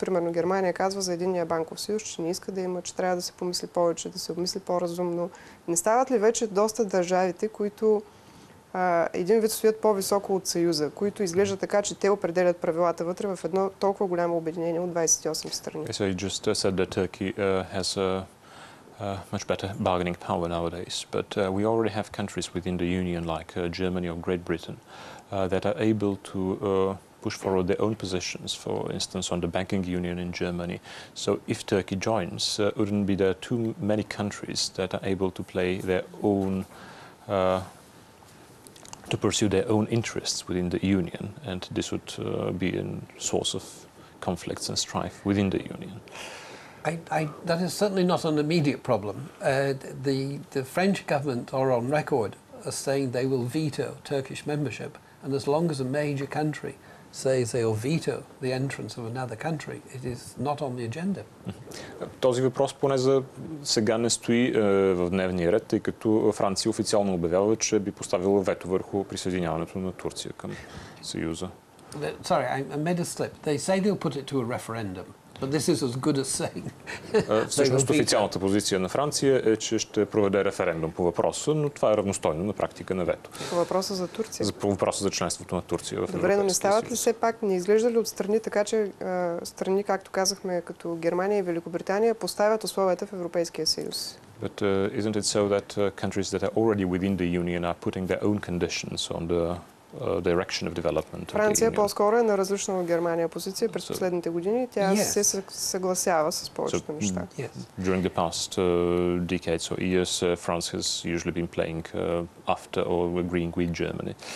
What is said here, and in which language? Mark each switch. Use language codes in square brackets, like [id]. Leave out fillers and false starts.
[bg] Примерно Германия казва за единния банков съюз, че не иска да има, че трябва да се помисли повече, да се обмисли по-разумно. Не стават ли вече доста държавите, които един вид стоят по-високо от Съюза, които изглеждат така, че те определят правилата вътре в едно толкова голямо обединение от 28 страни? [en] So you just said that Turkey has a much better bargaining power nowadays, but we already have countries within the Union like Germany or Great Britain that are able to push forward their own positions, for instance, on the banking union in Germany. So if Turkey joins, wouldn't be there too many countries that are able to play their own, to pursue their own interests within the Union, and this would be a source of conflicts and strife within the Union. That is certainly not an immediate problem. The French government are on record as saying they will veto Turkish membership, and as long as a major country say they will veto the entrance of another country, it is not on the agenda. [bg] Този въпрос поне за сега не стои в дневния ред, тъй като Франция официално обявява, че би поставила вето върху присъединяването на Турция към Съюза. [en] Sorry, I made a slip. They say they'll put it to a referendum, but this is as good as saying. [bg] Всъщност официалната позиция на Франция е, че ще проведе референдум по въпроса, но това е равностойно на практика на вето. По въпроса за Турция. По въпроса за членството на Турция в Европейския съюз. Добре, но не стават ли все пак, не изглежда ли от страни, така че страни, както казахме, като Германия и Великобритания, поставят условията в Европейския съюз? [en] But isn't it so that countries that are already within the Union are putting their own conditions on the direction of development. [bg] Франция по-скоро е на различна от Германия позиция през последните години. Тя се съгласява с повечето неща. [en] During the past decades or years, France has usually been playing after or agreeing with Germany.